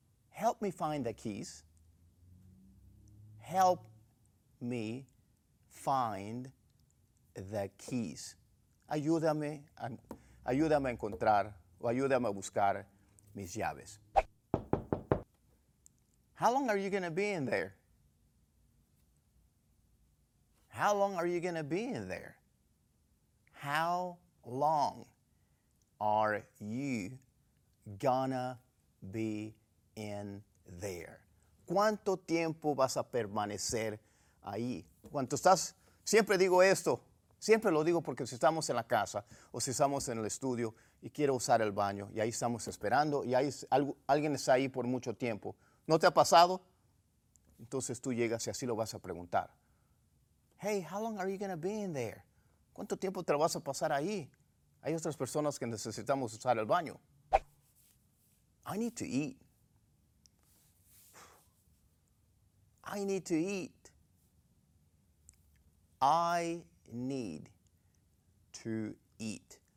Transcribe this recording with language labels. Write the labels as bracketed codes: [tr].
[en] Help me find the keys. Help me find the keys. [es] Ayúdame a encontrar o ayúdame a buscar mis llaves. [en] How long are you going to be in there? How long are you going to be in there? How long are you gonna be in there? [es] ¿Cuánto tiempo vas a permanecer ahí. Cuando estás, siempre digo esto, siempre lo digo porque si estamos en la casa o si estamos en el estudio y quiero usar el baño y ahí estamos esperando y ahí alguien está ahí por mucho tiempo. ¿No te ha pasado? Entonces tú llegas y así lo vas a preguntar. [en] Hey, how long are you going to be in there? [es] ¿Cuánto tiempo te lo vas a pasar ahí? Hay otras personas que necesitamos usar el baño. [en] I need to eat. I need to eat. I need to eat.